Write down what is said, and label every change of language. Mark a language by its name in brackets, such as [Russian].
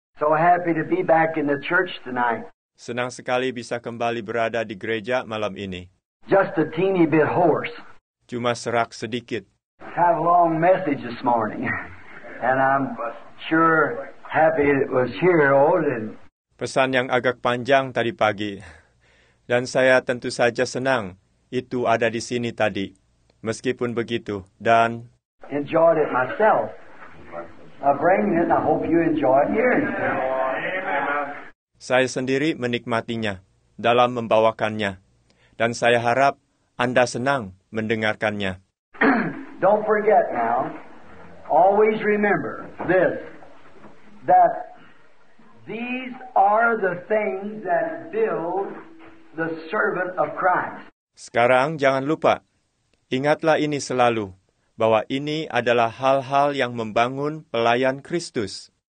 [English] So happy to be back in the church tonight. [Indonesian] Senang sekali bisa kembali berada di gereja malam ini. [English] Just a teeny bit hoarse. [Indonesian] Cuma serak sedikit. [English] Have a long message this morning. And I'm sure happy it was here, Odin. [Indonesian] Pesan yang agak panjang tadi pagi. Dan saya tentu saja senang itu ada di sini tadi. Meskipun begitu, dan [English] enjoyed it myself. I'll bring it, I hope you enjoy it here. [Indonesian] Saya sendiri menikmatinya dalam membawakannya. Dan saya harap Anda senang mendengarkannya. [English] Don't forget now. Always remember this, that these are the things that build the servant of Christ. [Indonesian] Sekarang jangan lupa, ingatlah ini selalu, bahwa ini adalah hal-hal yang membangun pelayan Kristus.